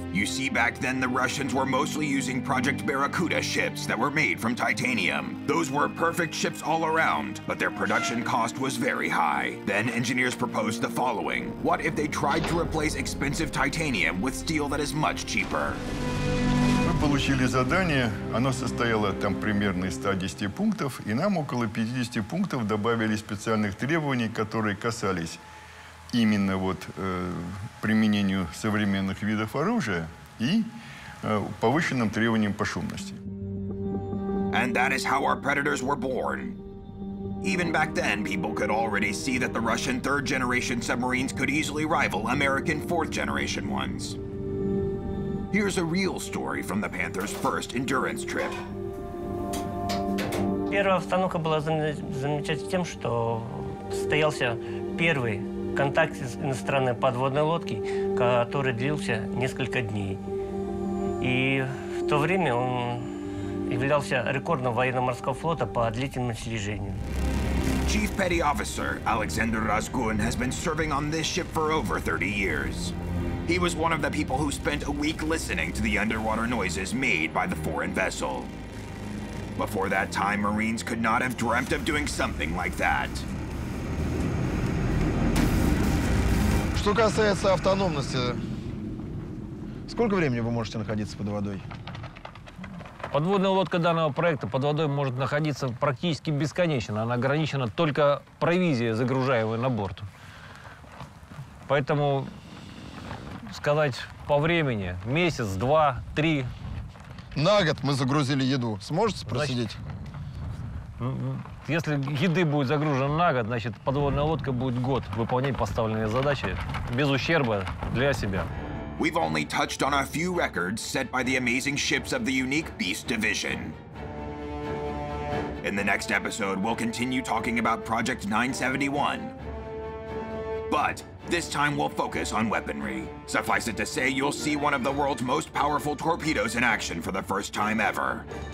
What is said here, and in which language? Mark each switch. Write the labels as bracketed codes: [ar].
[en] You see, back then, the Russians were mostly using Project Barracuda ships that were made from titanium. Those were perfect ships all around, but their production cost was very high. Then engineers proposed the following. What if they tried to replace expensive titanium with steel that is much cheaper? [ru] Получили задание, оно состояло там примерно из 110 пунктов, и нам около 50 пунктов добавили специальных требований, которые касались именно вот применению современных видов оружия и повышенным требованиям по шумности. [en] And that is how our predators were born. Even back then, people could already see that the Russian third-generation submarines could easily rival American fourth-generation ones. Here's a real story from the Panther's first endurance trip. [ru] Первая остановка была замечательна тем, что состоялся первый контакт с иностранной подводной лодкой, который длился несколько дней. И в то время он являлся рекордным военно-морского флота по длительному слежению. [en] Chief Petty Officer Alexander Razgun has been serving on this ship for over 30 years. He was one of the people who spent a week listening to the underwater noises made by the foreign vessel. Before that time, Marines could not have dreamt of doing something like that. [ru] Что касается автономности, сколько времени вы можете находиться под водой? Подводная лодка данного проекта под водой может находиться практически бесконечно. Она ограничена только провизией, загружаемой на борт. Поэтому сказать по времени, месяц, два, три. На год мы загрузили еду. Сможете просидеть? Значит, если еды будет загружено на год, значит, подводная лодка будет год выполнять поставленные задачи без ущерба для себя. [en] We've only touched on a few records set by the amazing ships of the Unique Beast Division. In the next episode, we'll continue talking about Project 971. But this time we'll focus on weaponry. Suffice it to say, you'll see one of the world's most powerful torpedoes in action for the first time ever.